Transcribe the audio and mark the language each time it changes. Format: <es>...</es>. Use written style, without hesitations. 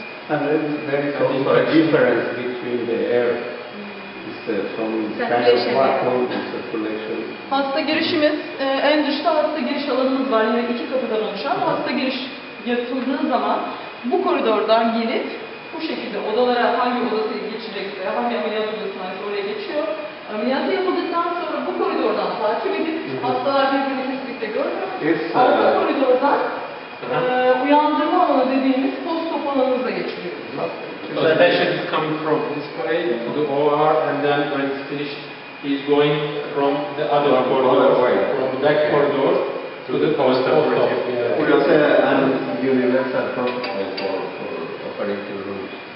<en>And there is very close difference between the air from kind of vacuum to circulation.</en> <tr>Hasta girişimiz, en dışta hasta giriş alanımız var. Yine iki kapıdan oluşan hasta giriş yapıldığı zaman bu koridordan girip bu şekilde odalara hangi odası geçecekse, hangi ameliyat odasına oraya geçiyor. Ameliyatı yapıldıktan sonra bu koridordan takip edip hastalar birbirini kesinlikle görmüyor. Arka koridordan uyandırma alanı dediğimiz post-op alanımıza geçiyor.</tr> <en>So the patient is coming from this way to the OR, and then when it's finished, he's going from the other corridor, from the back corridor to the post-op. It's a universal protocol for operating rooms.</en>